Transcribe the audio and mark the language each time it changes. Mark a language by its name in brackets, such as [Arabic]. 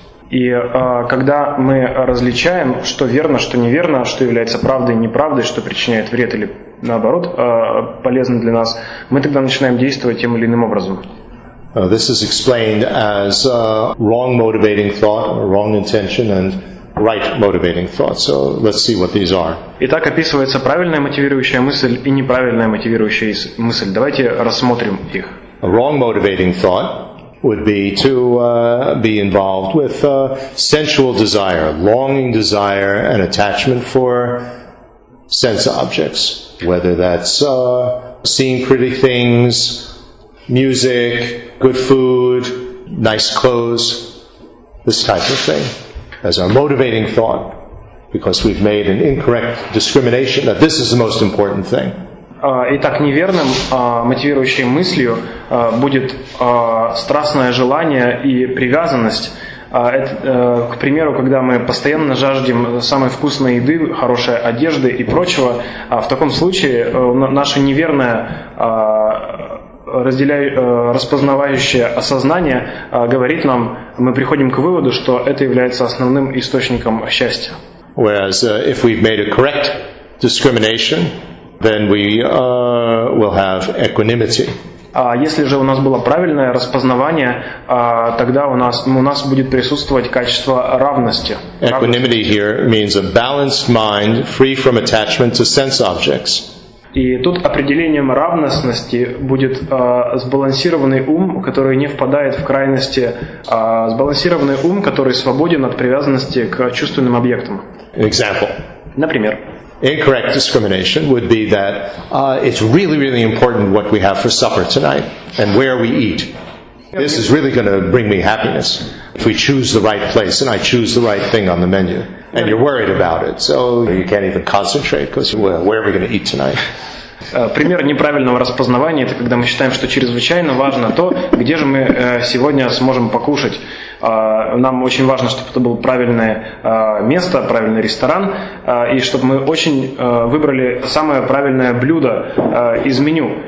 [Russian] И когда мы различаем, что верно, что неверно, что является правдой и неправдой, что причиняет вред или наоборот полезно для нас, мы тогда начинаем действовать тем или иным образом. [English] This is explained as wrong motivating thought, wrong intention, and right motivating thought. So let's see what these are. [Russian] Итак, описывается правильная мотивирующая мысль и неправильная мотивирующая мысль. Давайте рассмотрим их. [English] A wrong motivating thought would be to be involved with sensual desire, longing desire, and attachment for sense objects. whether that's seeing pretty things, music, good food, nice clothes, this type of thing, as our motivating thought, because we've made an incorrect discrimination that this is the most important thing. [Russian] Итак, неверным мотивирующей мыслью будет страстное желание и привязанность. Это, к примеру, когда мы постоянно жаждем самой вкусной еды, хорошей одежды и прочего, в таком случае наше неверное распознавающее осознание говорит нам, мы приходим к выводу, что это является основным источником счастья. [English] Whereas if we've made a correct discrimination, then we will have equanimity. [Russian] Если же у нас было правильное распознавание, тогда у нас будет присутствовать качество равности. [English] Equanimity here means a balanced mind, free from attachment to sense objects. [Russian] И тут определением равностности будет сбалансированный ум, который не впадает в крайности, сбалансированный ум, который свободен от привязанности к чувственным объектам. [English] An example. [Russian] Например. [English] Incorrect discrimination would be that it's really, really important what we have for supper tonight and where we eat. This is really going to bring me happiness if we choose the right place and I choose the right thing on the menu. And you're worried about it, so you can't even concentrate because, well, where are we going to eat tonight? [Russian] Пример неправильного распознавания – это когда мы считаем, что чрезвычайно важно то, где же мы сегодня сможем покушать. Нам очень важно, чтобы это было правильное место, правильный ресторан, и чтобы мы очень выбрали самое правильное блюдо из меню.